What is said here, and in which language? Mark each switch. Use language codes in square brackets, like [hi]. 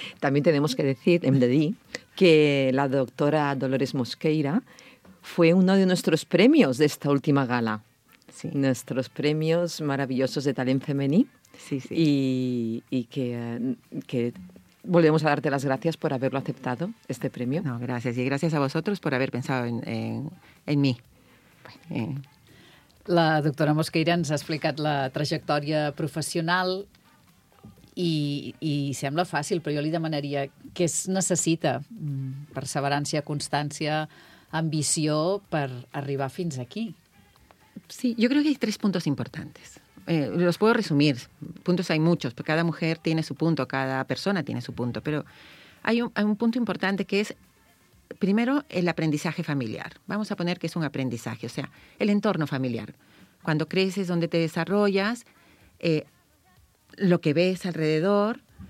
[es] También tenemos que decir, MDD, que la doctora Dolores Mosqueira fue uno de nuestros premios de esta última gala, sí. Nuestros premios maravillosos de Talent Femení. Sí, sí. Y que volvemos a darte las gracias por haberlo aceptado, este premio. No, gracias. Y gracias a vosotros por haber pensado en mí. [ca] La doctora Mosqueira ens ha explicat la trajectòria professional i sembla fàcil, però jo li demanaria què es necessita, perseverància, constància, ambició per arribar fins aquí. [es] Sí, yo creo que hay 3 puntos importantes. Los puedo resumir. Puntos hay muchos, porque cada mujer tiene su punto, cada persona tiene su punto. Pero hay un punto importante que es, primero, el aprendizaje familiar. Vamos a poner que es un aprendizaje, o sea, el entorno familiar. Cuando creces, donde te desarrollas, lo que ves alrededor.